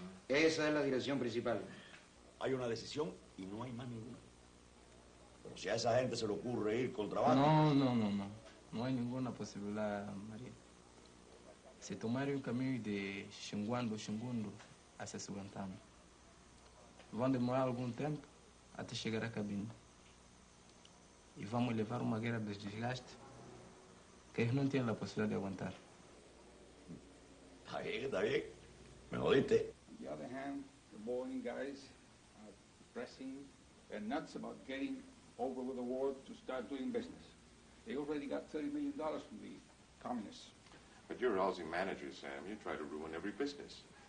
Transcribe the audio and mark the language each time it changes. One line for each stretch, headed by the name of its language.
Spanish: Esa es la dirección principal. Hay una decisión y no hay más ninguna. Pero si a esa gente se le ocurre ir contra Vázquez... No. No hay ninguna posibilidad, María. Se tomaron un camino de Chinguando, Chingundo, hacia Subantán.
Portuguese: Vão demorar algum tempo até chegar à cabine. E vamos levar uma guerra de desgaste que eles não têm a possibilidade de aguentar. Está bem, está bem. Me ouviste.
English: On the other hand, the Boeing guys are pressing and nuts about getting over with the war to start doing business. They already got $30 million from the communists. But you're a lousy manager, Sam. You try to ruin every business.